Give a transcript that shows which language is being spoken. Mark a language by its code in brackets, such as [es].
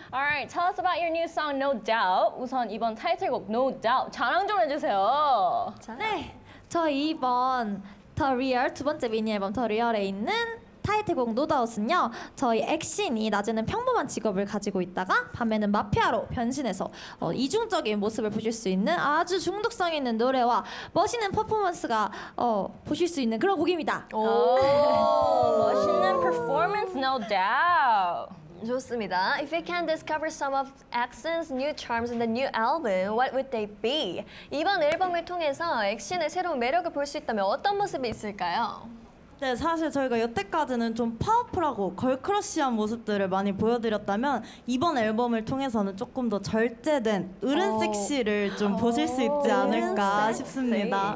[en] All right, tell us about your new song, No Doubt. [ko] 우선 이번 타이틀곡 No Doubt 자랑 좀 해주세요. 네, 저 이번 The Real 두 번째 미니 앨범 The Real에 있는 타이틀곡 노다웃은요, 저희 액신이 낮에는 평범한 직업을 가지고 있다가 밤에는 마피아로 변신해서 이중적인 모습을 보실 수 있는 아주 중독성 있는 노래와 멋있는 퍼포먼스가 보실 수 있는 그런 곡입니다. 오, 멋있는 퍼포먼스 no doubt. 좋습니다. [en] If you can discover some of Action's new charms in the new album, what would they be? [ko] 이번 앨범을 통해서 액신의 새로운 매력을 볼 수 있다면 어떤 모습이 있을까요? 네, 사실 저희가 여태까지는 좀 파워풀하고 걸크러쉬한 모습들을 많이 보여드렸다면 이번 앨범을 통해서는 조금 더 절제된 어른 섹시를 좀 보실 수 있지 않을까 싶습니다.